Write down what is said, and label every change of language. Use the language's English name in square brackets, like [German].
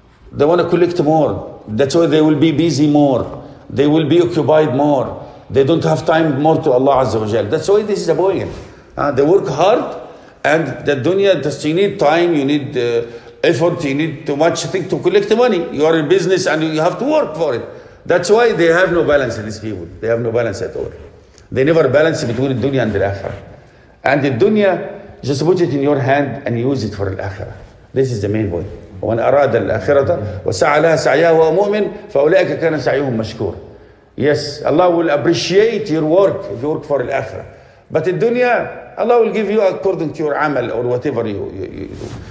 [English] they want to collect more that's why they will be busy more they will be occupied more they don't have time more to Allah Azza wa Jal that's why this is a boring they work hard and the dunya just you need time you need effort you need too much thing to collect money you are in business and you have to work for it that's why they have no balance in these people they have no balance at all They never balance between the dunya and the akhirah. And the dunya, just put it in your hand and use it for the akhirah. This is the main point. [Arabic] When أراد الآخرة وسعى لها سعيها وهو مؤمن فأولئك كان سعيهم مشكور. [English] Yes, Allah will appreciate your work if you work for the akhirah. But the dunya, Allah will give you according to your عمل or whatever you do.